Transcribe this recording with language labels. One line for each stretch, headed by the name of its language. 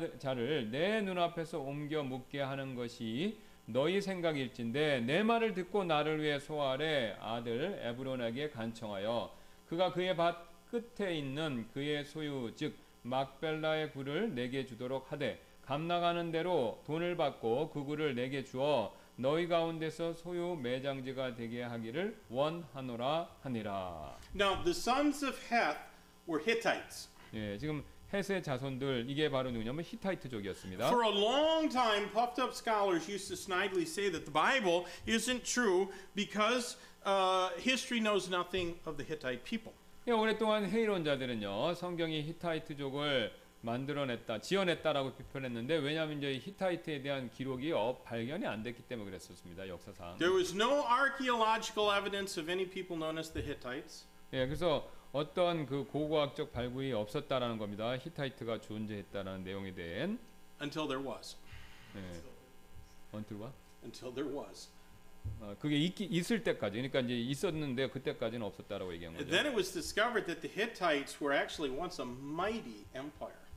Korean: 자를 내 눈앞에서 옮겨 묻게 하는 것이 너희 생각일진데 내 말을 듣고 나를 위해 소아래 아들 에브론에게 간청하여 그가 그의 밭 끝에 있는 그의 소유 즉 막벨라의 굴을 내게 주도록 하되 감나가는 대로 돈을 받고 그 굴을 내게 주어 너희 가운데서 소유 매장지가 되게 하기를 원하노라 하니라.
English: Now the sons of Heth were Hittites.
Korean: 예, 지금 헷의 자손들 이게 바로 누구냐면 히타이트족이었습니다.
English: For a long time, puffed up scholars used to snidely say that the Bible isn't true because history knows nothing of the Hittite people.
Korean: 예, 오랫동안 회의론자들은요, 성경이 히타이트족을 만들어냈다, 지어냈다라고 비판했는데 왜냐하면 이제 히타이트에 대한 기록이 발견이 안 됐기 때문에 그랬었습니다, 역사상.
English: There was no archaeological evidence of any people known as the Hittites.
Korean: 예, 그래서 어떤 그 고고학적 발굴이 없었다라는 겁니다. 히타이트가 존재했다라는 내용에 대한.
English: Until there was. 네. Until what? Until there was.
Korean: 그게 있을 때까지. 그러니까 이제 있었는데 그때까지는 없었다라고 얘기한 거죠.
English: Then it was discovered that the Hittites were actually once a mighty empire.